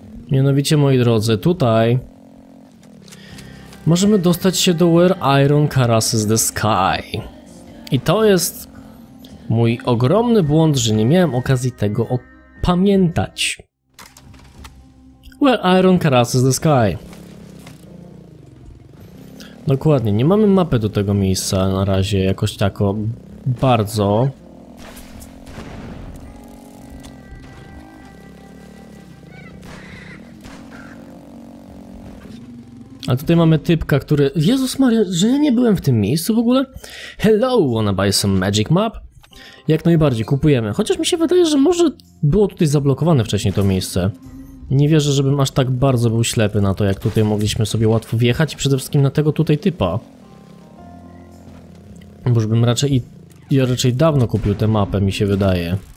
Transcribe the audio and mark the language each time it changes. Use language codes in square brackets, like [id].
[pl] Mianowicie, moi drodzy, tutaj możemy dostać się do Where Iron Karas is the Sky. I to jest mój ogromny błąd, że nie miałem okazji tego opamiętać. [en] Well, Iron Karas is the Sky. [pl] Dokładnie, nie mamy mapy do tego miejsca na razie, jakoś tako bardzo. A tutaj mamy typka, który... Jezus Maria, że ja nie byłem w tym miejscu w ogóle? [en] Hello, wanna buy some magic map? [pl] Jak najbardziej, kupujemy. Chociaż mi się wydaje, że może było tutaj zablokowane wcześniej to miejsce. Nie wierzę, żebym aż tak bardzo był ślepy na to, jak tutaj mogliśmy sobie łatwo wjechać i przede wszystkim na tego tutaj typa. Bo już bym raczej i... ja raczej dawno kupił tę mapę, mi się wydaje.